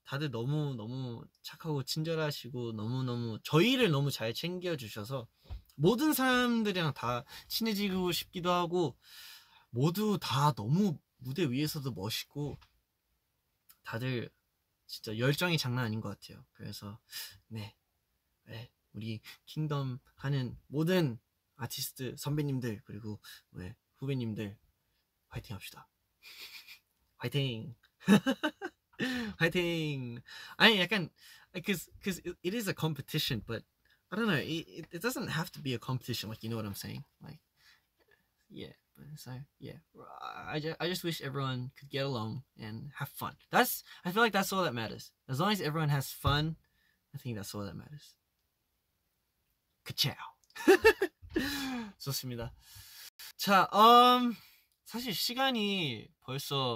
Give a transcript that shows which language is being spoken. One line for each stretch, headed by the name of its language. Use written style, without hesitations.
Korean: 다들 너무 너무 착하고 친절하시고 너무 너무 저희를 너무 잘 챙겨주셔서 모든 사람들이랑 다 친해지고 싶기도 하고 모두 다 너무 무대 위에서도 멋있고 다들 진짜 열정이 장난 아닌 것 같아요. 그래서 네, 우리 킹덤 하는 모든 아티스트 선배님들 그리고 네, 후배님들 화이팅 합시다. 화이팅! 화이팅! 아니 약간
English: because it is a competition, but I don't know, it doesn't have to be a competition, like, you know what I'm saying? Like, yeah, but so yeah, I just wish everyone could get along and have fun. That's, I feel like that's all that matters. As long as everyone has fun, I think that's all that matters. Ka-chow!
Korean: 좋습니다. 자, 사실 시간이 벌써